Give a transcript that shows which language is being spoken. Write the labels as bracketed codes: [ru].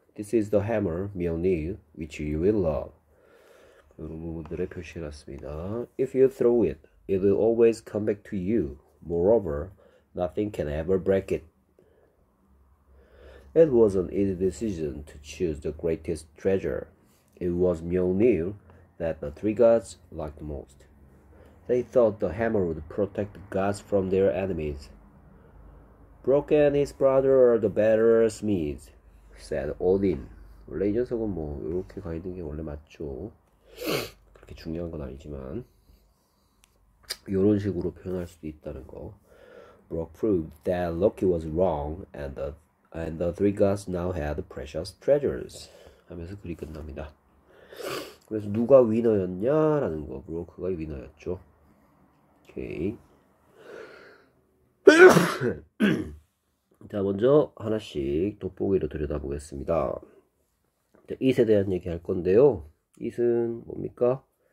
[en] This is the hammer, Mjolnir, which you will love. [ko] 그런 부분들에 표시해놨습니다. [en] If you throw it, it will always come back to you. Moreover, nothing can ever break it. It was an easy decision to choose the greatest treasure. It was Mjolnir that the three gods liked most. They thought the hammer would protect the gods from their enemies. Brock and his brother are the better smiths. said Odin. [ko] 원래 이 녀석은 뭐 이렇게 가 있는 게 원래 맞죠. 그렇게 중요한 건 아니지만 이런 식으로 표현할 수도 있다는 거. [en] Brock proved that Loki was wrong, and the three gods now had precious treasures. [ko] 하면서 글이 끝납니다. 그래서 누가 위너였냐라는 거. 브로크가 위너였죠. 오케이. 자, 먼저 하나씩 돋보기로 들여다보겠습니다. 자, 잇에 대한 얘기 할 건데요. 잇은 뭡니까?